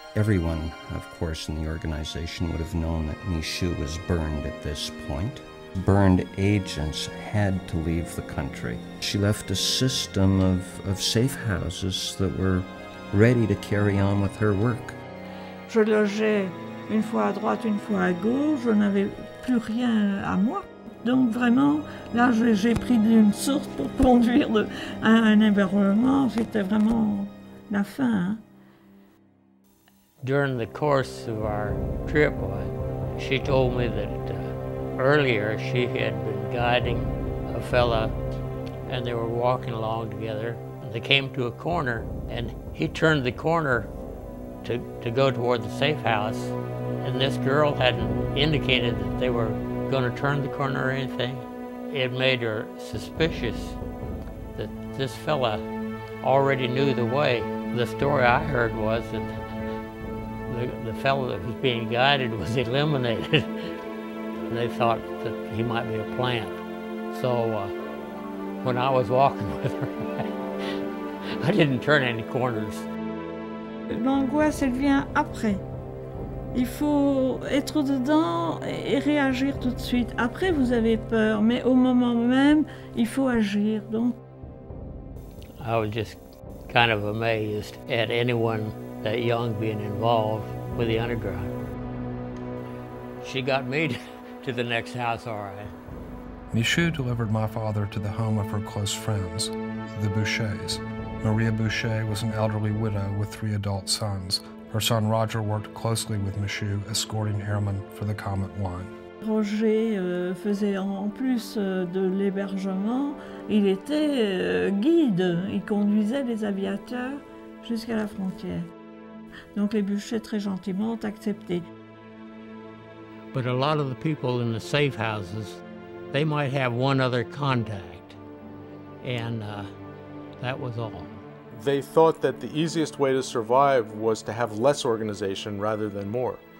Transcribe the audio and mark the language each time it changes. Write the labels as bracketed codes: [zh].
[en] Everyone, of course, in the organization would have known that Michou was burned at this point. Burned agents had to leave the country. She left a system of safe houses that were ready to carry on with her work. [fr] Je logeais une fois à droite, une fois à gauche. Je n'avais plus rien à moi. Donc vraiment, là, j'ai pris une source pour conduire un hébergement. C'était vraiment la fin. [en] During the course of our trip, she told me that earlier she had been guiding a fella and they were walking along together. They came to a corner and he turned the corner to go toward the safe house, and this girl hadn't indicated that they were going to turn the corner or anything. it made her suspicious that this fella already knew the way. The story I heard was that the fellow that was being guided was eliminated. They thought that he might be a plant. So when I was walking with her, I didn't turn any corners. [fr] L'angoisse, elle vient après. Il faut être dedans et réagir tout de suite. Après, vous avez peur, mais au moment même, il faut agir. Donc, [en] I was just kind of amazed at anyone that young being involved with the underground. She got me to the next house, all right. Michu delivered my father to the home of her close friends, the Bouchers. Maria Boucher was an elderly widow with three adult sons. Her son Roger worked closely with Michu, escorting airmen for the Comet Line. [fr] Roger faisait en plus de l'hébergement, il était guide, il conduisait les aviateurs jusqu'à la frontière. Donc les Bouchers très gentiment ont accepté. [en] But a lot of the people in the safe houses, they might have one other contact, and that was all. They thought that the easiest way to survive was to have less organization rather than more.